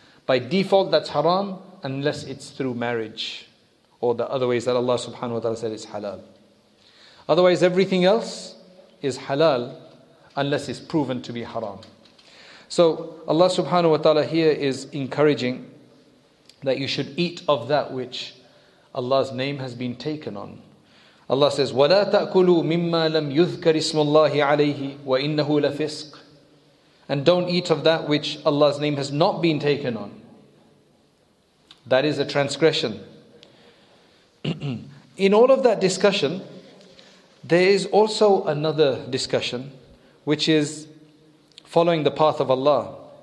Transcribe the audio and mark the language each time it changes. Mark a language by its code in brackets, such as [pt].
[en] By default, that's haram unless it's through marriage or the other ways that Allah subhanahu wa ta'ala said is halal. Otherwise, everything else is halal unless it's proven to be haram. So Allah subhanahu wa ta'ala here is encouraging that you should eat of that which Allah's name has been taken on. Allah says, [ar] وَلَا تَأْكُلُوا مِمَّا لَمْ يُذْكَرِ اسْمُ اللَّهِ عَلَيْهِ وَإِنَّهُ لَفِسْقٍ. [en] And don't eat of that which Allah's name has not been taken on. That is a transgression. In all of that discussion, there is also another discussion, which is following the path of Allah.